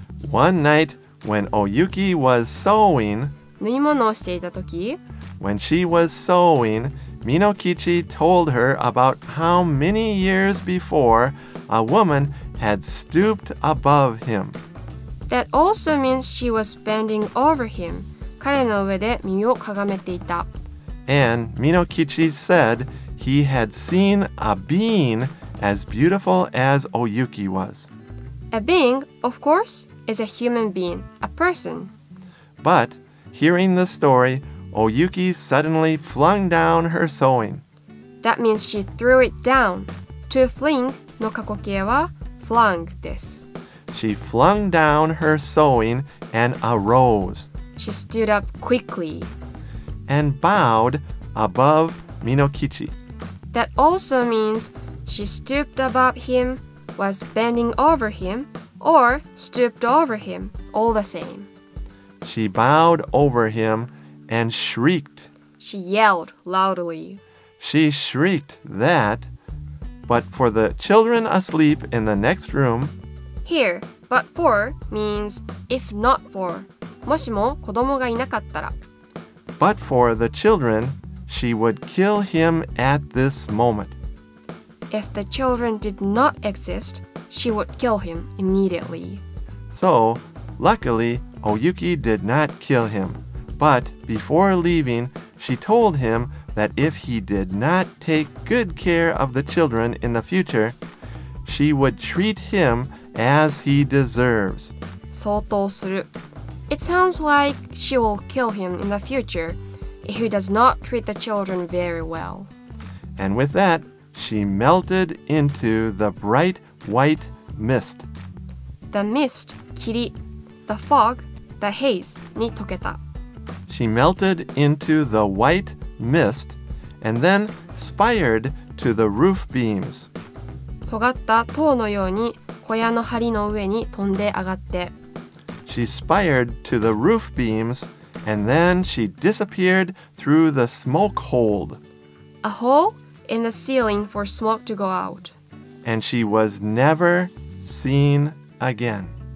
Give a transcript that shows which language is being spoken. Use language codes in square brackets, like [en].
[en] One night, when Oyuki was sewing, [ja] 縫い物をしていた時, [en] when she was sewing, Minokichi told her about how many years before a woman had stooped above him. That also means she was bending over him. [ja] 彼の上で耳をかがめていた。 [en] And Minokichi said,He had seen a being as beautiful as Oyuki was. A being, of course, is a human being, a person. But, hearing the story, Oyuki suddenly flung down her sewing. That means she threw it down. To fling の過去形は flung です. She flung down her sewing and arose. She stood up quickly. And bowed above Minokichi. That also means she stooped above him, was bending over him, or stooped over him, all the same. She bowed over him and shrieked. She yelled loudly. She shrieked that, but for the children asleep in the next room. Here, but for means if not for. [ja] もしも子供がいなかったら。 [en] But for the children,She would kill him at this moment. If the children did not exist, she would kill him immediately. So, luckily, Oyuki did not kill him. But before leaving, she told him that if he did not take good care of the children in the future, she would treat him as he deserves. [ja] 相当する。 [en] It sounds like she will kill him in the future. He does not treat the children very well. And with that, she melted into the bright white mist. The mist, 霧,the fog, the haze, に溶けた。 She melted into the white mist and then spired to the roof beams. [ja] 尖った塔のように小屋の梁の上に飛んで上がって。 [en] She spired to the roof beams and then she disappeared through the smoke hold. A hole in the ceiling for smoke to go out. And she was never seen again.